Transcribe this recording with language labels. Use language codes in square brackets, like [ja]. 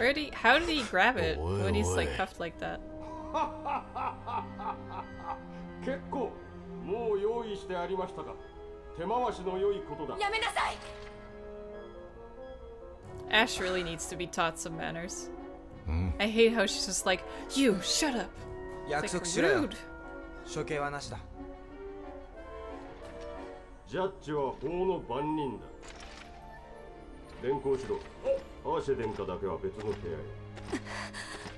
[en] Where did he, How did he grab it when he's like cuffed like that? [ja] 結構もう用意してありましたか。手回しの良いことだ。やめなさい。 [en] Ash really needs to be taught some manners. I hate how she's just like, you shut up. [ja] 約束しろよ。処刑はなしだ。ジャッジは法の番人だ。連行しろ。アーシェ殿下だけは別の部屋へ。